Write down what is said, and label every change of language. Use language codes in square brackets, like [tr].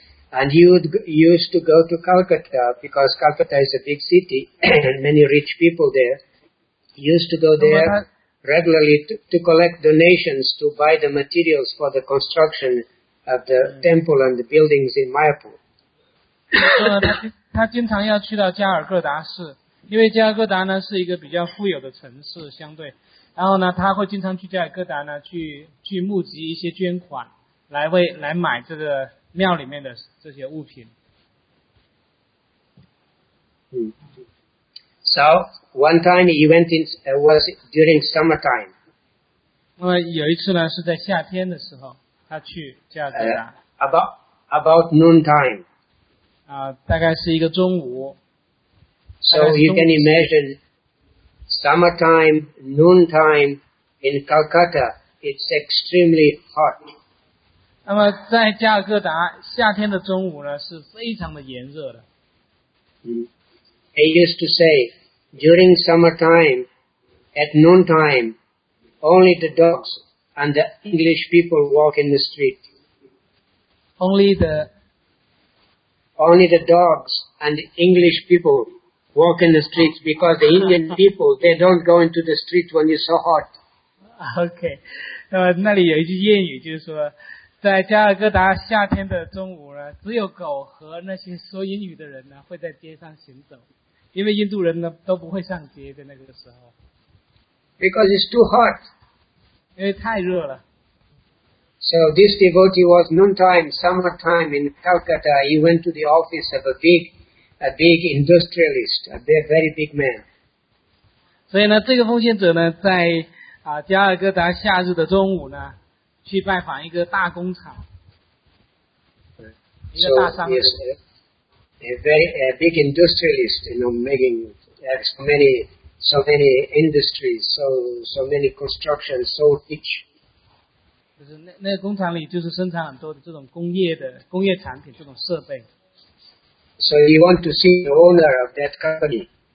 [en] And he used to go to Calcutta because Calcutta is a big city and many rich people there. He used to go there regularly to collect donations to buy the materials for the construction of the temple and the buildings in Mayapur. [zh] 他经常要去到加尔各答市，因为加尔各答呢是一个比较富有的城市相对，然后呢他会经常去加尔各答呢去募集一些捐款来买这个庙里面的这些物品。 [en] So, one time he went in, was during summertime. [zh] 那么有一次呢是在夏天的时候他去加尔各答。 [en] About noontime. [zh] 大概是一个中午。 [en] So you can imagine, summertime, noontime, in Calcutta, it's extremely hot. [zh] 那么在加尔各答夏天的中午呢是非常的炎热的。 [en] He used to say,During summertime, at noontime, only the dogs and the English people walk in the street. Only the dogs and the English people walk in the streets because the Indian people, they don't go into the street when it's so hot. Okay. [zh] 那么那里有一句谚语就是说在加尔各答夏天的中午呢只有狗和那些说英语的人呢会在街上行走。因为印度人呢都不会上街的那个时候。 [en] Because it's too hot. [zh] 因为太热了。 [en] So this devotee was noontime, summertime in Calcutta. He went to the office of a big industrialist, a very big man. [zh] 所以呢这个奉献者呢在加尔各答夏日的中午呢去拜访一个大工厂。一个大商人。 [en] A big industrialist, you know, making so many industries, so many constructions, so rich. [zh] 就是那个工厂里就是生产很多的这种工业产品这种设备。 [en] So he want to see the owner of that company.